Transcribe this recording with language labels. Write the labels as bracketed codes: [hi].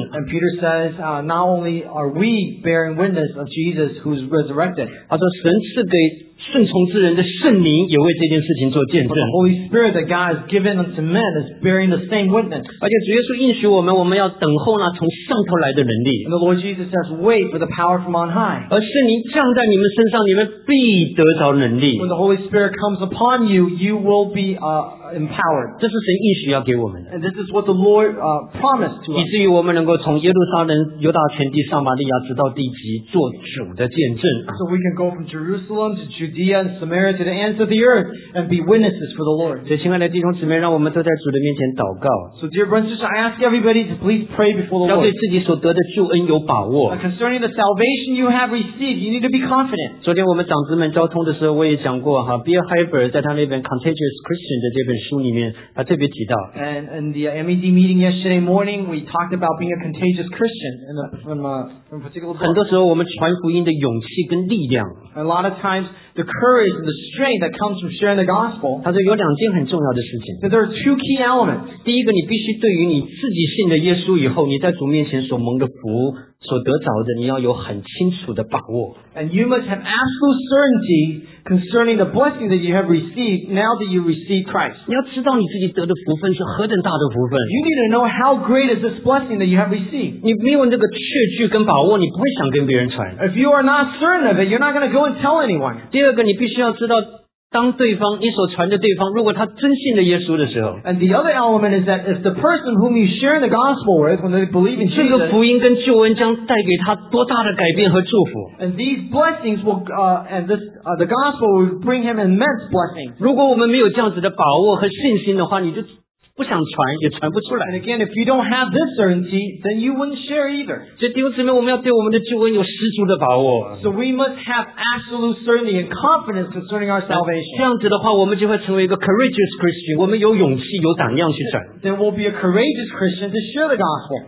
[en] And Peter says, not only are we bearing witness of Jesus who's resurrected. [zh] 他说神赐给顺从之人的圣灵也为这件事情做见证。 [en] The Holy Spirit that God has given unto men is bearing the same witness. [zh] 而且主耶稣应许我们要等候那从上头来的能力。 [en] And the Lord Jesus says, wait for the power from on high. [zh] 而圣灵降在你们身上，你们必得着能力。 [en] When the Holy Spirit comes upon you, you will be empowered. [zh] 这是神应许要给我们的。 [en] And this is what the Lord promised to us. [zh] 以至于我们能够从耶路撒冷、犹大全地、撒玛利亚直到地极做主的见证。 [en] So we can go from Jerusalem to Judea and Samaria to the ends of the earth and be witnesses for the Lord. [zh] 所以亲爱的弟兄姊妹，让我们都在主的面前祷告。 [en] So dear brothers, I ask everybody to please pray before the Lord. [zh] 要对自己所得的救恩有把握。 [en] Concerning the salvation you have received, you need to be confident. [zh] 昨天我们长子们交通的时候，我也讲过哈 ，Bill Hybels 在他那本 Contagious Christian 的这本书里面，他特别提到。 [en] And in the MED meeting yesterday morning, we talked about being a contagious Christian in a, from a particular. [zh] 很多时候我们传福音的勇气跟力量。 [en] A lot of times. The courage and the strength that comes from sharing the gospel. [zh] 他说有两件很重要的事情。 [en] That there are two key elements. [zh] 第一个，你必须对于你自己信了耶稣以后，你在主面前所蒙的福、所得着的，你要有很清楚的把握。 [en] And you must have absolute certainty concerning the blessing that you have received now that you receive Christ. [zh] 你要知道你自己得的福分是何等大的福分。 [en] You need to know how great is this blessing that you have received. [zh] 你没有那个确据跟把握，你不会想跟别人传。 [en] If you are not certain of it, you're not going to go and tell anyone. [zh] 第二个，你必须要知道。当对方你所传的对方如果他真信了耶稣的时候 [en] and the other element is that if the person whom you share the gospel with when they believe in Jesus [zh] 这个福音跟救恩将带给他多大的改变和祝福 [en] and these blessings will the gospel will bring him immense blessings [zh] 如果我们没有这样子的把握和信心的话你就不想传也传不出来 [en] and again if you don't have this certainty then you wouldn't share either [zh] 所以弟兄姊妹我们要对我们的救恩有十足的把握 [en] so we must have absolute certainty and confidence concerning our salvation [zh] 这样子的话我们就会成为一个 [en] courageous Christian [zh] 我们有勇气有胆量去传 [en] then we'll be a courageous Christian to share the gospel